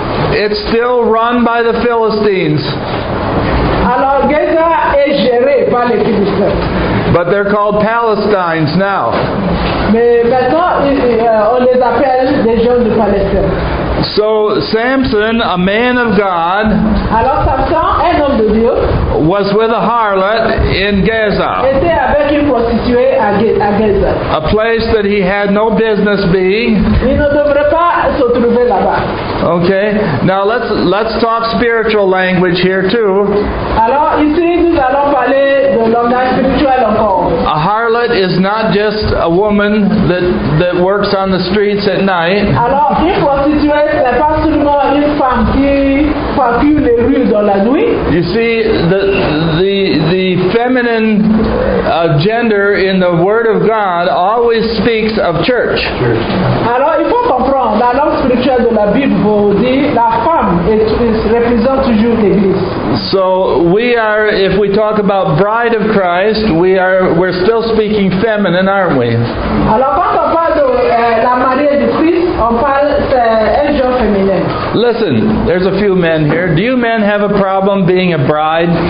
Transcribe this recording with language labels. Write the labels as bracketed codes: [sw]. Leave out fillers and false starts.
[en] It's still run by the Philistines. [fr] Alors Gaza est géré par les Philistins. [en] But they're called Palestines now. [fr] Mais maintenant, on les appelle les gens de Palestine. [en] So Samson, a man of God, [fr] alors, Samson, un homme de Dieu, [en] was with a harlot in Gaza. [fr] Était avec une prostituée à Gaza. [en] A place that he had no business being. [fr] Il ne devrait pas se trouver là-bas. [en] Okay. Now let's talk spiritual language here too. [fr] Alors ici nous allons parler de langage spirituel encore. [en] a harlot is not just a woman that works on the streets at night. [fr] Alors, une prostituée, c'est pas seulement une femme qui parcourt les rues dans la nuit. [en] You see, the feminine gender in the Word of God always speaks of church. [fr] Alors, il faut comprendre, la langue spirituelle de la Bible dit la femme représente toujours l'église. [en] So we are, if we talk about bride of Christ, we're still speaking feminine, aren't we? [fr] Alors quand on parle de la mariée du Christ, on parle c'est un genre féminin. [en] Listen, there's a few men here. Do you men have a problem being a bride?